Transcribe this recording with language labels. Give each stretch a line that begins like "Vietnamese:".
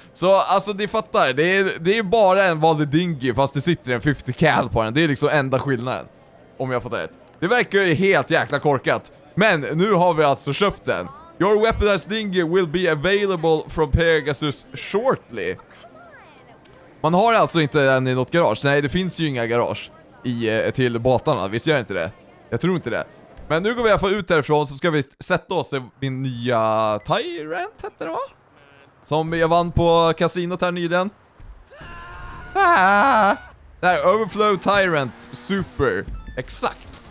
Swedish: Så alltså ni fattar, det är bara en vanlig dinghy fast det sitter en 50 cal på den. Det är liksom enda skillnaden, om jag fattar rätt. Det verkar ju helt jäkla korkat, men nu har vi alltså köpt den.
English: Your weaponized dinghy will be available from Pegasus shortly.
Swedish: Man har alltså inte den i något garage. Nej, det finns ju inga garage till båtarna. Visst gör inte det? Jag tror inte det. Men nu går vi i alla fall ut därifrån så ska vi sätta oss i min nya Tyrant, heter det va? Som jag vann på kasinot här nyligen. Det här är Overflow Tyrant Super. Exakt.